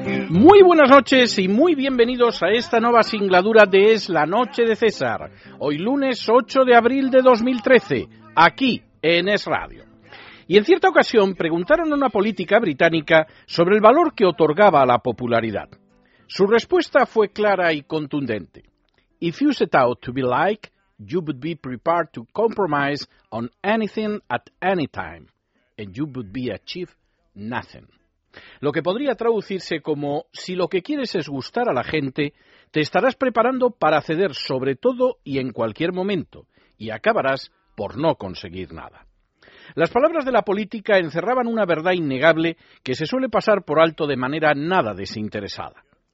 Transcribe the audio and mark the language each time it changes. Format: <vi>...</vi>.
<es>Muy buenas noches y muy bienvenidos a esta nueva singladura de Es la noche de César. Hoy lunes 8 de abril de 2013, aquí en Es Radio. Y en cierta ocasión preguntaron a una política británica sobre el valor que otorgaba a la popularidad. Su respuesta fue clara y contundente.</es> <en>If you set out to be liked, you would be prepared to compromise on anything at any time, and you would be achieve nothing.</en> <es>Lo que podría traducirse como, si lo que quieres es gustar a la gente, te estarás preparando para ceder sobre todo y en cualquier momento, y acabarás por no conseguir nada. Las palabras de la política encerraban una verdad innegable que se suele pasar por alto de manera nada desinteresada.</es>